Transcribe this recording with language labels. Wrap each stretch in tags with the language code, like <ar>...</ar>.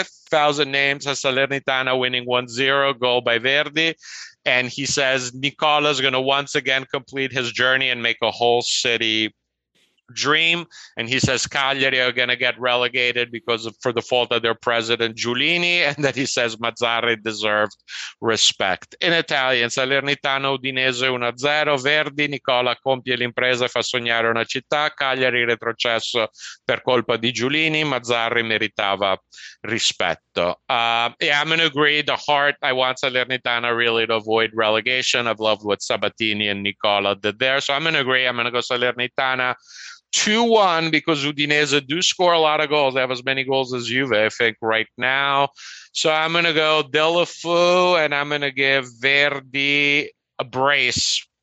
<en>1,000 names. Has Salernitana winning 1-0, goal by Verdi. And he says Nicola is going to once again complete his journey and make a whole city dream. And he says Cagliari are going to get relegated for the fault of their president Giulini, and that he says Mazzarri deserved respect. In Italian,</en> <it>Salernitano Udinese 1-0, Verdi, Nicola compie l'impresa e fa sognare una città, Cagliari retrocesso per colpa di Giulini, Mazzarri meritava rispetto.</it> <en>Yeah, I'm going to agree, the heart, I want Salernitana really to avoid relegation. I've loved what Sabatini and Nicola did there, so I'm going to agree, I'm going to go Salernitana 2-1, because Udinese do score a lot of goals. They have as many goals as Juve, I think, right now. So I'm going to go Delafu, and I'm going to give Verdi a brace</en>